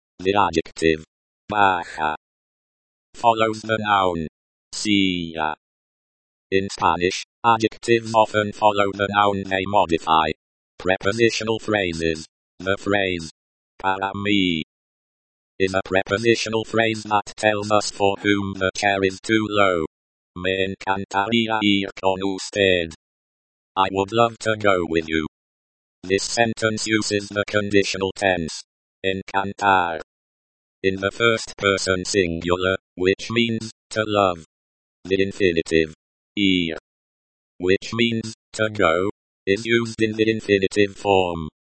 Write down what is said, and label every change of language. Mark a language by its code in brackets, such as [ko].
[en] The adjective, baja, follows the noun, silla. In Spanish, adjectives often follow the noun they modify. Prepositional phrases. The phrase, para mí, is a prepositional phrase that tells us for whom the chair is too low. [es] Me encantaría ir con usted. [en] I would love to go with you. This sentence uses the conditional tense, encantar, in the first person singular, which means, to love. The infinitive, ir, which means, to go, is used in the infinitive form.